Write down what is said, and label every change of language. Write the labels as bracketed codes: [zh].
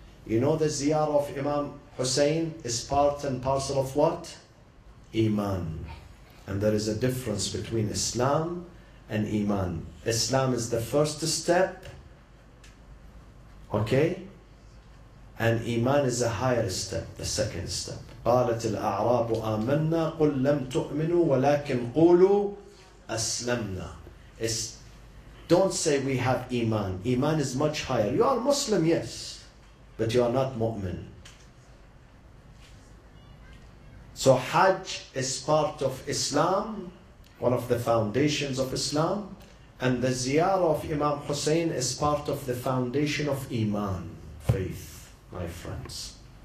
[en] You know the ziyarah of Imam Hussein is part and parcel of what? Iman. And there is a difference between Islam and Iman. Islam is the first step, okay? And Iman is a higher step, the second step. [ar] قالت الأعراب آمنا قل لم تؤمنوا ولكن قولوا أسلمنا. [en] Don't say we have Iman. Iman is much higher. You are Muslim, yes, but you are not mu'min. So Hajj is part of Islam, one of the foundations of Islam, and the ziyarah of Imam Hussein is part of the foundation of Iman, faith, my friends.